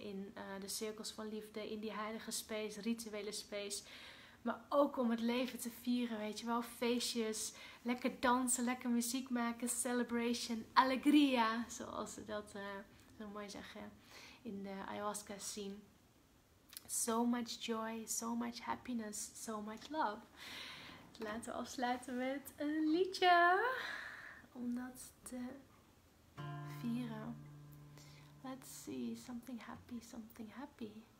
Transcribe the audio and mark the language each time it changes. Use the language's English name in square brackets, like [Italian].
[Dutch] In de cirkels van liefde, in die heilige space, rituele space. Maar ook om het leven te vieren, weet je wel. Feestjes, lekker dansen, lekker muziek maken, celebration, alegría. Zoals ze dat zo mooi zeggen in de ayahuasca scene. [English] So much joy, so much happiness, so much love. [Dutch] Laten we afsluiten met een liedje. Om dat te vieren. [English] Let's see, something happy, something happy.